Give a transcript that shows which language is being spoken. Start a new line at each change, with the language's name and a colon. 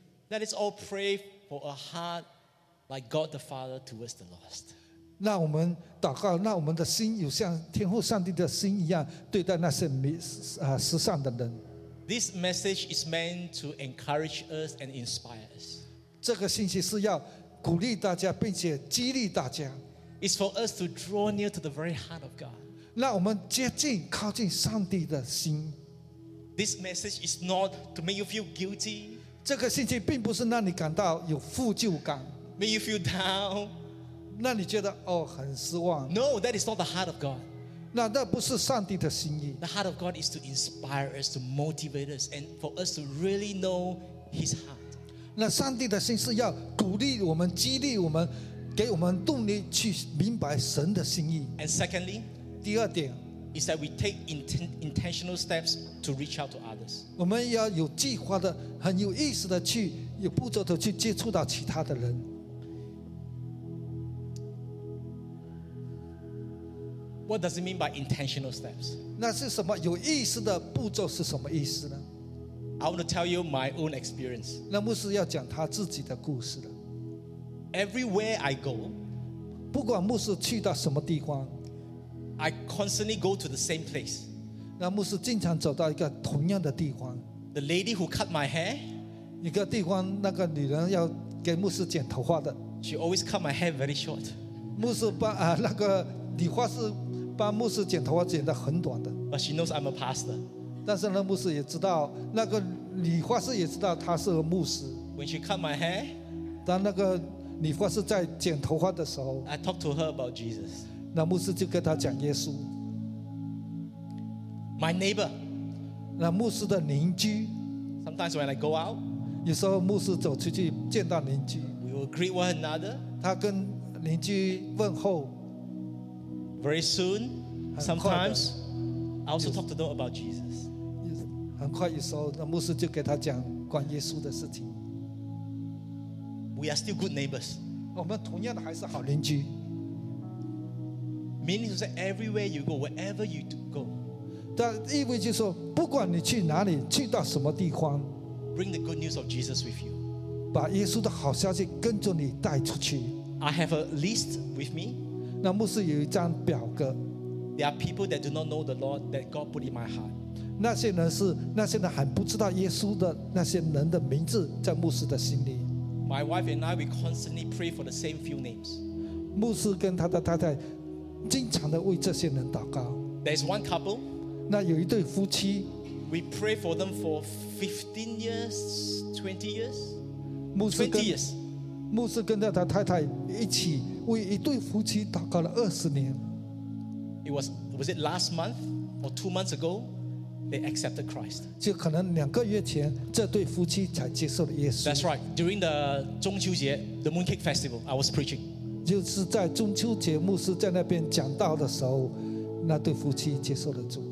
English: Let us all pray for a heart like God the Father towards the lost.
Chinese: 让我们祷告，让我们的心有像天父上帝的心一样对待那些失丧的人。
English: This message is meant to encourage us and inspire us.
Chinese: 这个信息是要鼓励大家，并且激励大家。
English: It's for us to draw near to the very heart of God.
Chinese: 让我们接近、靠近上帝的心。
English: This message is not to make you feel guilty.
Chinese: 这个信息并不是让你感到有负疚感，
English: make you feel down，
Chinese: 让你觉得哦很失望。
English: No, that is not the heart of God.
Chinese: 那不是上帝的心意。
English: The heart of God is to inspire us, to motivate us, and for us to really know His heart.
Chinese: 那上帝的心是要鼓励我们、激励我们、给我们动力去明白神的心意。
English: And secondly,
Chinese: 第二点
English: is that we take intentional steps to reach out to others.
Chinese: 我们要有计划的、很有意识的去、有步骤的去接触到其他的人。
English: What does it mean by intentional steps?
Chinese: 那是什么？有意识的步骤是什么意思呢？
English: I want to tell you my own experience.
Chinese: 那牧师要讲他自己的故事了。
English: Everywhere I go,
Chinese: 不管牧师去到什么地方，
English: I constantly go to the same place.
Chinese: 那牧师经常走到一个同样的地方。
English: The lady who cut my hair,
Chinese: 一个地方那个女人要给牧师剪头发的。
English: She always cut my hair very short.
Chinese: 牧师帮那个理发师帮牧师剪头发剪得很短的。
English: But she knows I'm a pastor.
Chinese: 但是那牧师也知道，那个理发师也知道他是个牧师。
English: When she cut my hair,
Chinese: 当那个理发师在剪头发的时候
English: ，I talk to her about Jesus.
Chinese: 那牧师就跟他讲耶稣。
English: My neighbor,
Chinese: 那牧师的邻居。
English: Sometimes when I go out,
Chinese: 有时候牧师走出去见到邻居。
English: We will greet one another,
Chinese: 他跟邻居问候。
English: Very soon, sometimes I also talk to them about Jesus.
Chinese: 很快有时候那牧师就跟他讲关耶稣的事情。
English: We are still good neighbors.
Chinese: 我们同样的还是好邻居。
English: Meaning to say, everywhere you go, wherever you go,
Chinese: 但意味就是说，不管你去哪里，去到什么地方
English: ，bring the good news of Jesus with you,
Chinese: 把耶稣的好消息跟着你带出去。
English: I have a list with me.
Chinese: 那牧师有一张表格。
English: There are people that do not know the Lord that God put in my heart.
Chinese: 那些人是那些人还不知道耶稣的那些人的名字在牧师的心里。
English: My wife and I we constantly pray for the same few names.
Chinese: 牧师跟他的太太。经常的为这些人祷告。
English: There's one couple.
Chinese: 那有一对夫妻。
English: We pray for them for 15 years, 20 years. 20 years.
Chinese: 牧师跟着他太太一起为一对夫妻祷告了20年。
English: It was last month or 2 months ago. they accepted Christ.
Chinese: 就可能两个月前，这对夫妻才接受了耶稣。
English: That's right. During the 中秋节 the Mooncake Festival, I was preaching.
Chinese: 就是在中秋节，牧师在那边讲道的时候，那对夫妻接受了主。